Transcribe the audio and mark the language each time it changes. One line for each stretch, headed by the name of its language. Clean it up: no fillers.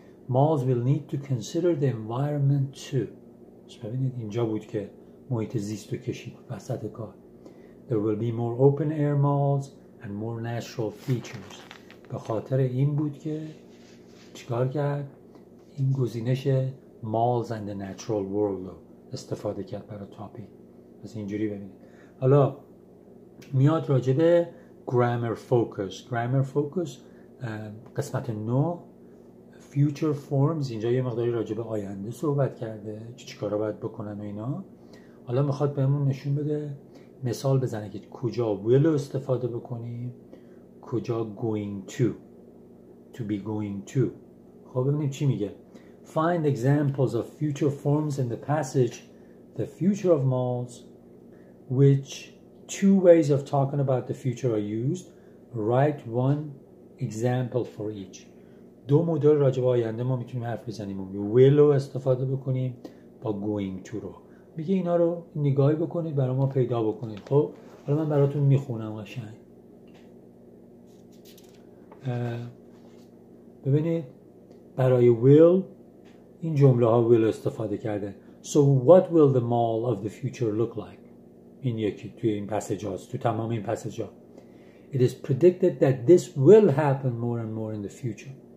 English: Malls will need to consider the environment too.
Persian: So ببینید اینجا بود که محیط زیست رو کشید وسط کار.
English: There will be more open air malls and more natural features.
Persian: به خاطر این بود که چیکار کرد؟ این گزینش
English: malls and the natural world
Persian: رو استفاده کرد برای تاپی. پس اینجوری ببینید. حالا میاد راجبه grammar focus.
English: Grammar focus قسمت 9 future forms.
Persian: اینجا یه مقداری راجبه آینده صحبت کرده. چی کارا باید بکنن و اینا. حالا میخواد بهمون نشون بده مثال بزنه که کجا will استفاده بکنیم. کجا
English: going to be going to.
Persian: خب ببینیم چی میگه.
English: Find examples of future forms in the passage the future of malls which two ways of talking about the future are used. Write one example for each.
Persian: دو مدل راجع به آینده ما میتونیم حرف بزنیم. Will رو استفاده بکنیم با going to رو. میگه اینا رو نگاهی بکنید برای ما پیدا بکنید. خب حالا من براتون میخونم قشنگ. ببینید برای will این جمله ها will استفاده کرده.
English: So what will the mall of the future look like?
Persian: این یکی توی این پسج هاست. تو تمام این پسج ها.
English: It is predicted that this will happen more and more in the future.